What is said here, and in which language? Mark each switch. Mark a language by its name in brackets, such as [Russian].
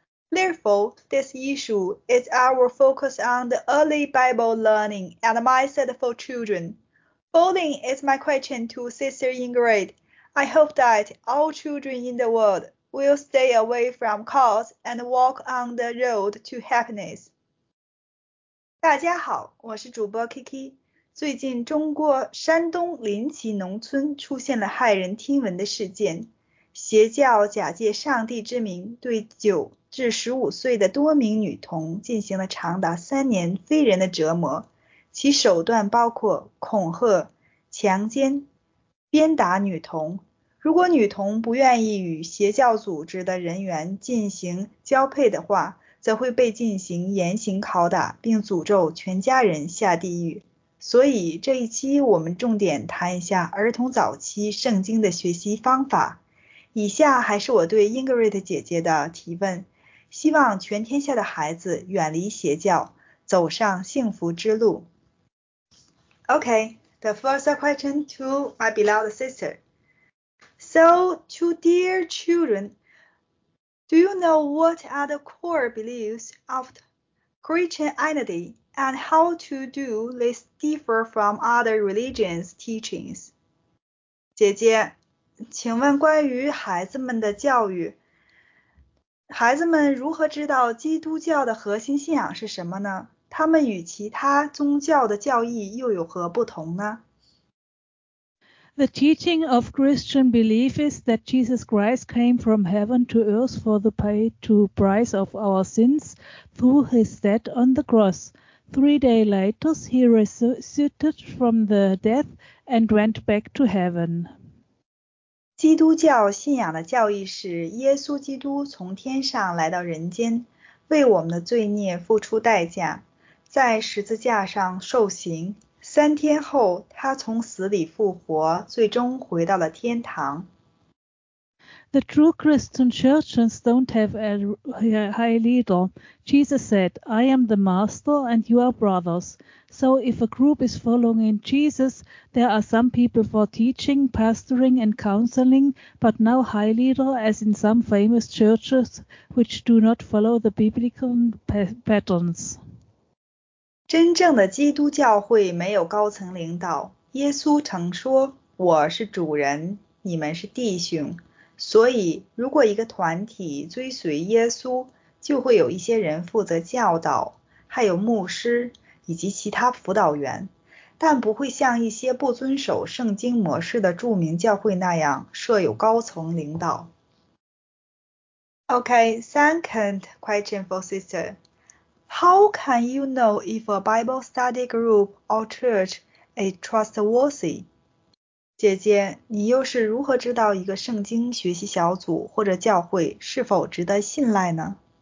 [English] Therefore, this issue is our focus on the early Bible learning and mindset for children. Following is my question to Sister Ingrid. I hope that all children in the world will stay away from cults and walk on the road to happiness. [Chinese] 大家好，我是主播 Kiki。最近中国山东临淇农村出现了骇人听闻的事件，邪教假借上帝之名对9至15岁的多名女童进行了长达3年非人的折磨，其手段包括恐吓、强奸、鞭打女童，如果女童不愿意与邪教组织的人员进行交配的话，则会被进行严刑拷打，并诅咒全家人下地狱。所以这一期我们重点谈一下儿童早期圣经的学习方法。以下还是我对 Ingrid 姐姐的提问，希望全天下的孩子远离邪教，走上幸福之路。 [English] OK, the first question to my beloved sister. So, to dear children, do you know what are the core beliefs of Christianity? And how to do this differ from other religions' teachings? [Chinese] 姐姐，请问关于孩子们的教育，孩子们如何知道基督教的核心信仰是什么呢？他们与其他宗教的教义又有何不同呢？ [English] The teaching of Christian belief is that Jesus Christ came from heaven to earth for the pay to price of our sins through his death on the cross. 3 days later, he resurrected from the death and went back to heaven. [Chinese] 基督教信仰的教义是耶稣基督从天上来到人间，为我们的罪孽付出代价，在十字架上受刑。 3天后，他从死里复活，最终回到了天堂。 [English] The true Christian churches don't have a high leader. Jesus said, I am the master and you are brothers. So if a group is following in Jesus, there are some people for teaching, pastoring and counseling, but no high leader as in some famous churches which do not follow the biblical patterns. [Chinese] 真正的基督教会没有高层领导。耶稣曾说，我是主人，你们是弟兄。所以如果一个团体追随耶稣，就会有一些人负责教导，还有牧师以及其他辅导员，但不会像一些不遵守圣经模式的著名教会那样设有高层领导。 [English] OK, second question for sister. How can you know if a Bible study group or church is trustworthy? [Chinese] 姐姐，你又是如何知道一个圣经学习小组或者教会是否值得信赖呢？